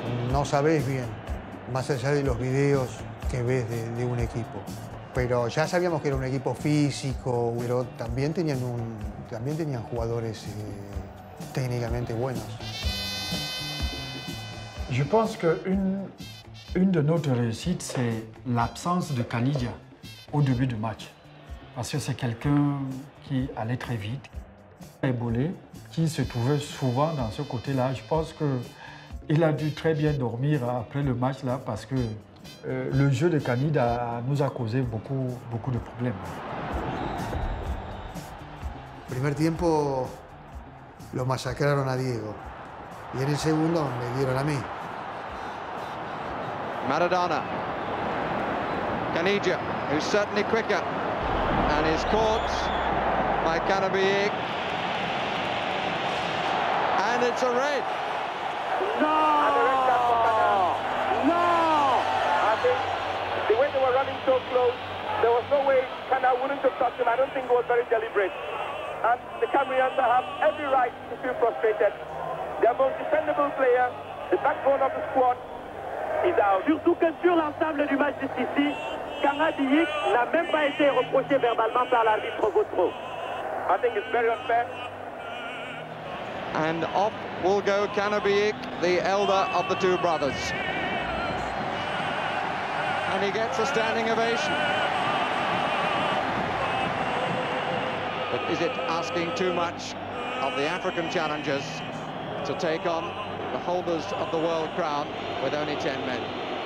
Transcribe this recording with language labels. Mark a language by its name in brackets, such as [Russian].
[Spanish] No sabes bien, más allá de los videos que ves de un equipo. pero ya sabíamos que era un equipo físico, pero también tenían jugadores técnicamente buenos. [French] Je pense que une de nos réussites c'est l'absence de Canidia au début du match, parce que c'est quelqu'un qui allait très vite, ébolé, qui se trouvait souvent dans ce côté-là. Je pense que il a dû très bien dormir après le match là, parce que le jeu de Canidia nous a causé beaucoup de problèmes. [Spanish] Premier tiempo lo masacraron a Diego y en el segundo me dieron a mí. [English] Maradona, Canidia, who's certainly quicker, and is caught by Canabic, and it's a red. No! No! I think the way they were running so close, there was no way Cana wouldn't have touched him. I don't think it was very deliberate. And the Cameroons have every right to feel frustrated. Their most defendable player, the backbone of the squad, is out. [French] Surtout que sur l'ensemble du match ici, Canabic n'a même pas été reproché verbalement par l'arbitre Vautreau. [English] I think it's very unfair. And off will go Canabic, the elder of the two brothers. And he gets a standing ovation. But is it asking too much of the African challengers to take on the holders of the world crown with only 10 men?